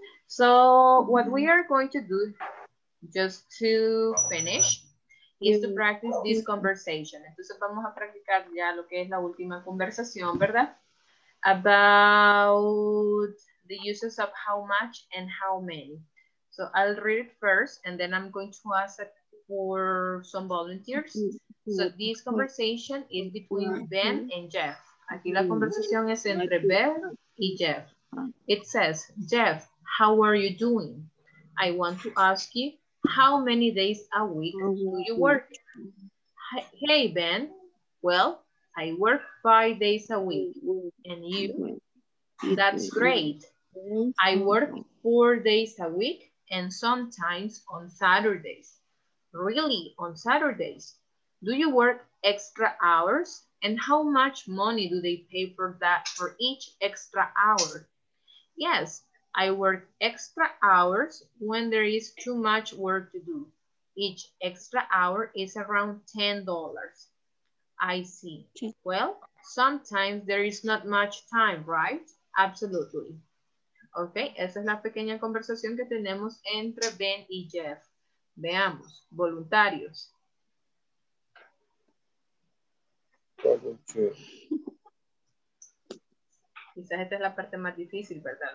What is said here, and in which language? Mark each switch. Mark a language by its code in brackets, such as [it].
[en] So what we are going to do just to finish is to practice this conversation. [es] Entonces vamos a practicar ya lo que es la última conversación, ¿verdad? [en] About the uses of how much and how many. So I'll read it first and then I'm going to ask for some volunteers. So this conversation is between Ben and Jeff. [es] Aquí la conversación es entre Ben y Jeff. [en] It says, Jeff, how are you doing? I want to ask you, how many days a week do you work? Hey, Ben. Well, I work 5 days a week. And you? That's great. I work 4 days a week and sometimes on Saturdays. Really, on Saturdays? Do you work extra hours? And how much money do they pay for that for each extra hour? Yes, I work extra hours when there is too much work to do. Each extra hour is around $10. I see. Well, sometimes there is not much time, right? Absolutely. [es] Ok, esa es la pequeña conversación que tenemos entre Ben y Jeff. Veamos, voluntarios. Quizás esta es la parte más difícil, ¿verdad?